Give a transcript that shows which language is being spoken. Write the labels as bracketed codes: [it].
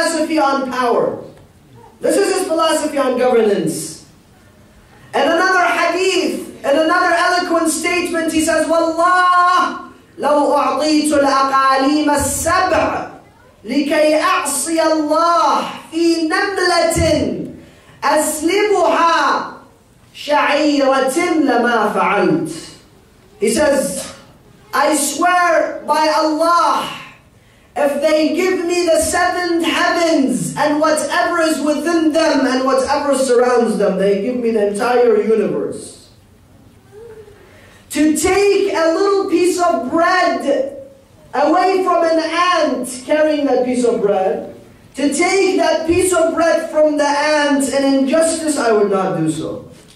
[en] philosophy on power. This is his philosophy on governance. And another hadith, and another eloquent statement, he says, [ar] Wallah, لو أعطيت الأقاليم السبع لكي أعصي الله في نملة أسلبها شعيرة لما فعلت. [en] He says, I swear by Allah, if they give me the seven heavens and whatever is within them and whatever surrounds them, they give me the entire universe. To take a little piece of bread away from an ant carrying that piece of bread, to take that piece of bread from the ant, an injustice, I would not do so.